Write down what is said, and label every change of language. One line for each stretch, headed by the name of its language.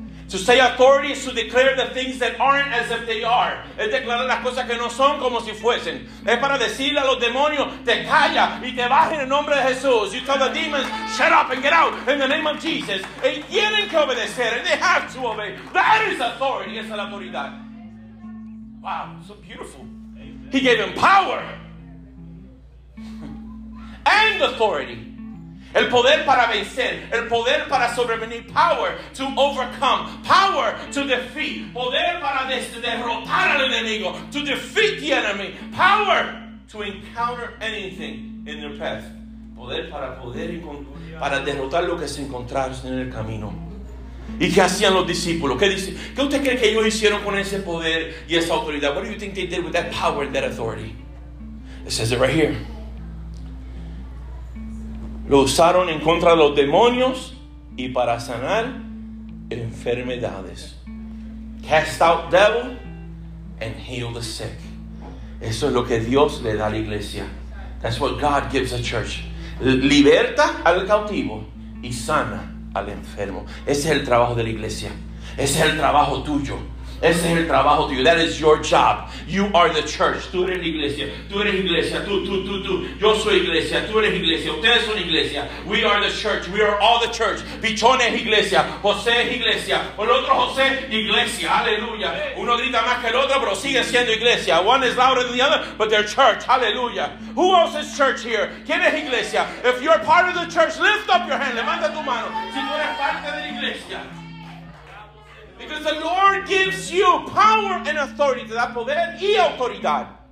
English: To say authority is to declare the things that aren't as if they are.
Spanish: Es declarar las cosas que no son como si fuesen. Es para decirle a los demonios, te calla y te baja en el nombre de Jesús.
English: You tell the demons, shut up and get out in the name of Jesus.
Spanish: Y tienen que obedecer.
English: And they have to obey. That is authority.
Spanish: Esa es la autoridad.
English: Wow, so beautiful. Amen. He gave him power. And authority.
Spanish: El poder para vencer, el poder para sobrevenir,
English: power to overcome, power to defeat,
Spanish: poder para derrotar al enemigo,
English: to defeat the enemy, power to encounter anything in their path.
Spanish: Poder para poder y para derrotar lo que se encontraron en el camino. ¿Y qué hacían los discípulos? ¿Qué dice? ¿Qué usted cree que ellos hicieron con ese poder y esa autoridad?
English: What do you think they did with that power and that authority? It says it right here.
Spanish: Lo usaron en contra de los demonios y para sanar enfermedades.
English: Cast out devil and heal the sick.
Spanish: Eso es lo que Dios le da a la iglesia.
English: That's what God gives the church.
Spanish: Liberta al cautivo y sana al enfermo. Ese es el trabajo de la iglesia. Ese es el trabajo tuyo. Ese es el trabajo tuyo.
English: That is your job. You are the church.
Spanish: Tú eres la iglesia. Tú eres iglesia. Tú. Yo soy iglesia. Tú eres iglesia. Ustedes son iglesia.
English: We are the church. We are all the church.
Spanish: Pichón es iglesia. José es iglesia. El otro José, iglesia. Aleluya. Uno grita más que el otro, pero sigue siendo iglesia.
English: One is louder than the other, but they're church. Aleluya. Who else is church here?
Spanish: ¿Quién es iglesia?
English: If you're part of the church, lift up your hand.
Spanish: Levanta tu mano. Si tú eres parte de la iglesia.
English: Because the Lord gives you power and authority.
Spanish: Te da poder y autoridad.